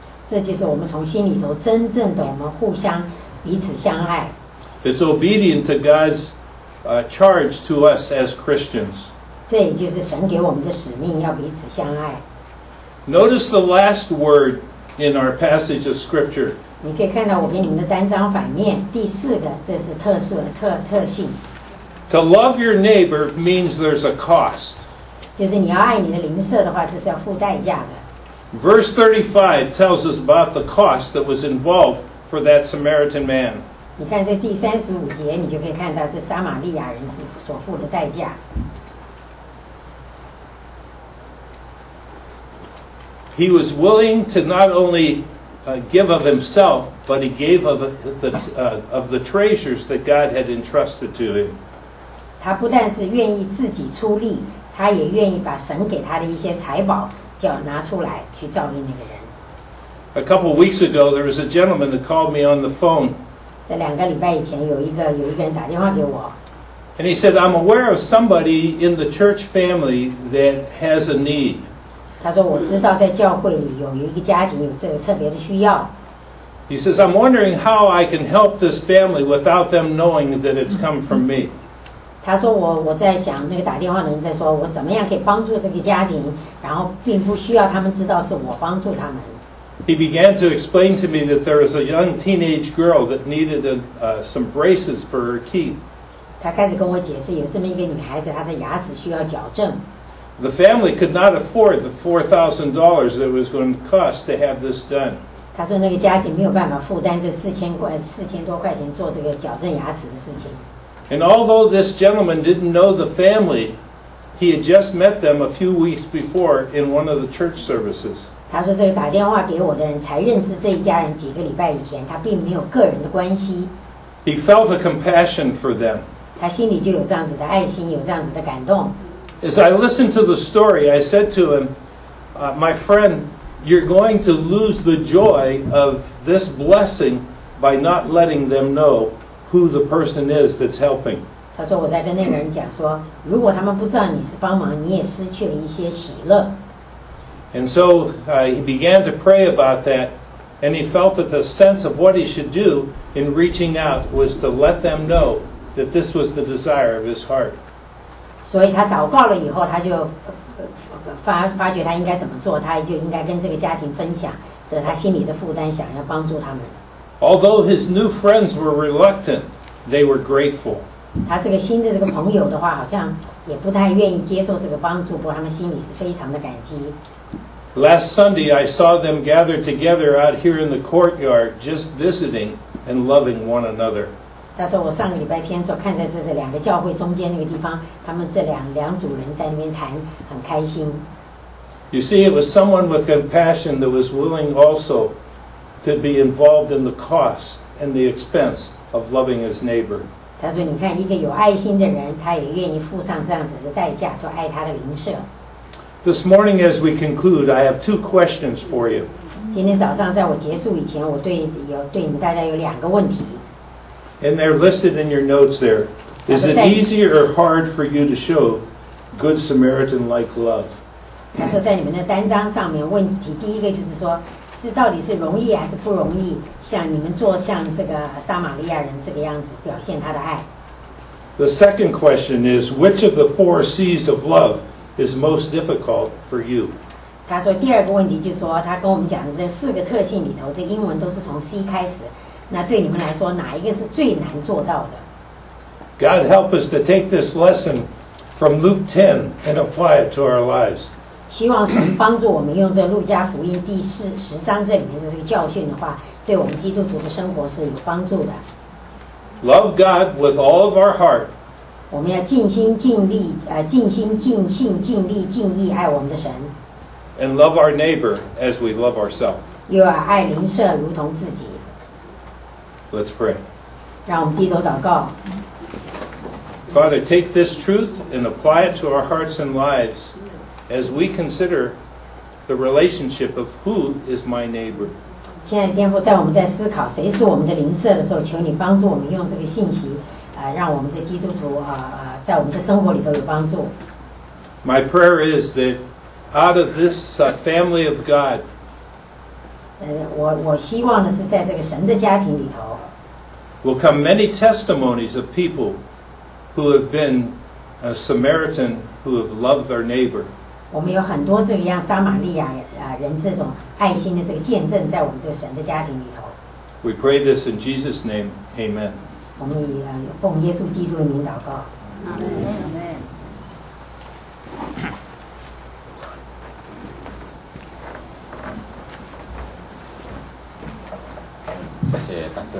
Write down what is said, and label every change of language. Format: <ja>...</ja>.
<zh>这就是我们从心里头真正的我们互相彼此相爱。</zh> <en>It's obedient to God's charge to us as Christians.</en> <zh>这也就是神给我们的使命，要彼此相爱。</zh> <en>Notice the last word in our passage of scripture.</en> <zh>你可以看到我给你们的单张反面，第四个，这是特殊的特性。</zh> <en>To love your neighbor means there's a cost.</en> <zh>就是你要爱你的邻舍的话，这是要付代价的。</zh> <en>Verse 35 tells us about the cost that was involved for that Samaritan man.</en> <zh>你看在第三十五节，你就可以看到这撒玛利亚人所付的代价。</zh> <en>He was willing to not only give of himself, but he gave of the treasures that God had entrusted to him.</en> <zh>他不但是愿意自己出力，他也愿意把神给他的一些财宝叫拿出来去照应那个人。</zh> <en>A couple of weeks ago, there was a gentleman that called me on the phone.</en> <zh>在两个礼拜以前，有一个人打电话给我。</zh> <en>And he said, I'm aware of somebody in the church family that has a need.</en> <zh>他说我知道在教会里有一个家庭有这个特别的需要。</zh> <en>He says, I'm wondering how I can help this family without them knowing that it's come from me.</en> <zh>他说我在想那个打电话的人在说我怎么样可以帮助这个家庭，然后并不需要他们知道是我帮助他们。</zh> <en>He began to explain to me that there was a young teenage girl that needed some braces for her teeth.</en> <zh>他开始跟我解释有这么一个女孩子她的牙齿需要矫正。</zh> <en>The family could not afford the $4,000 that it was going to cost to have this done.</en> <zh>他说那个家庭没有办法负担这4000多块钱做这个矫正牙齿的事情。</zh> <en>And although this gentleman didn't know the family, he had just met them a few weeks before in one of the church services.</en> <zh>他说这个打电话给我的人才认识这一家人几个礼拜以前，他并没有个人的关系。</zh> <en>He felt a compassion for them.</en> <zh>他心里就有这样子的爱心，有这样子的感动。</zh> <en>As I listened to the story, I said to him, my friend, you're going to lose the joy of this blessing by not letting them know who the person is that's helping.</en> <zh>他说我在跟那个人讲说，如果他们不知道你是帮忙，你也失去了一些喜乐。</zh> <en>And so he began to pray about that, and he felt that the sense of what he should do in reaching out was to let them know that this was the desire of his heart.</en> <zh>所以他祷告了以后，他就发觉他应该怎么做，他就应该跟这个家庭分享，这是他心里的负担，想要帮助他们。</zh> <en>Although his new friends were reluctant, they were grateful.</en> <zh>他这个新的这个朋友的话，好像也不太愿意接受这个帮助，不过他们心里是非常的感激。</zh> <en>Last Sunday, I saw them gathered together out here in the courtyard, just visiting and loving one another.</en> <zh>他说我上个礼拜天的时候看在这两个教会中间那个地方，他们这两组人在那边谈很开心。</zh> <en>You see, it was someone with compassion that was willing also to be involved in the cost and the expense of loving his neighbor.</en> <zh>他说你看一个有爱心的人，他也愿意付上这样子的代价做爱他的邻舍。</zh> <en>This morning as we conclude, I have two questions for you.</en> <zh>今天早上在我结束以前，我对你们大家有两个问题。</zh> <en>And they're listed in your notes there. Is it easier or hard for you to show good Samaritan-like love?</en> <zh>他说在你们的单张上面问题第一个就是说是到底是容易还是不容易像你们做像这个撒玛利亚人这个样子表现他的爱。</zh> <en>The second question is which of the four C's of love is most difficult for you?</en> <zh>他说第二个问题就是说他跟我们讲的这四个特性里头这英文都是从 C 开始。那对你们来说哪一个是最难做到的</zh> <en>God help us to take this lesson from Luke 10 and apply it to our lives</en> <zh>希望神帮助我们用这路加福音第十章这里面的这个教训的话对我们基督徒的生活是有帮助的</zh> <en>Love God with all of our heart</en> <zh>我们要尽心尽力尽心尽性尽力尽意爱我们的神</zh> <en>And love our neighbor as we love ourselves</en> <zh>又要爱邻舍如同自己</zh> <en>Let's pray.</en> <zh>让我们低头祷告。</zh> <en>Father, take this truth and apply it to our hearts and lives as we consider the relationship of who is my neighbor.</en> <zh>亲爱的天父，在我们在思考谁是我们的邻舍的时候，求你帮助我们用这个信息，让我们的基督徒在我们的生活里头有帮助。</zh> <en>My prayer is that out of this family of God.</en> <zh>我希望的是在这个神的家庭里头。</zh> <en>Will come many testimonies of people who have been a Samaritan who have loved their neighbor.</en> <zh>我们有很多这个样撒玛利亚人这种爱心的这个见证在我们这个神的家庭里头。</zh> <en>We pray this in Jesus' name, Amen.</en> <zh>我们以奉耶稣基督的名祷告。</zh> <en>Amen.</en> <zh>Amen. 谢谢。</zh>